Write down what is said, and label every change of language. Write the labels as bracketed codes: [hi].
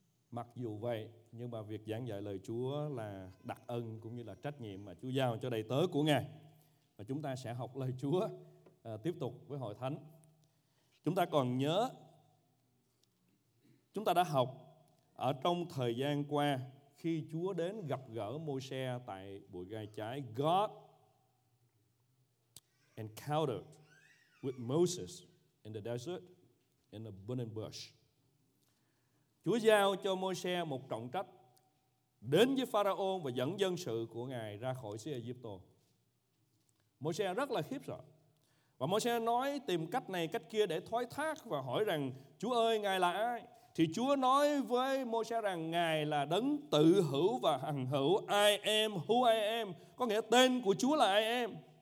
[vi] Mặc dù vậy, nhưng mà việc giảng dạy lời Chúa là đặc ân cũng như là trách nhiệm mà Chúa giao cho đầy tớ của Ngài. Và chúng ta sẽ học lời Chúa tiếp tục với hội thánh. Chúng ta còn nhớ, chúng ta đã học ở trong thời gian qua khi Chúa đến gặp gỡ Môi-se tại bụi gai trái. [en] God encountered with Moses in the desert in a burning bush. [vi] Chúa giao cho Môi-se một trọng trách đến với Pharaoh và dẫn dân sự của Ngài ra khỏi xứ Ai Cập. Môi-se rất là khiếp sợ. Và Môi-se nói tìm cách này cách kia để thoái thác và hỏi rằng Chúa ơi, Ngài là ai? Thì Chúa nói với Môi-se rằng Ngài là đấng tự hữu và hằng hữu, [en] I am who I am, [vi] có nghĩa tên của Chúa là I am.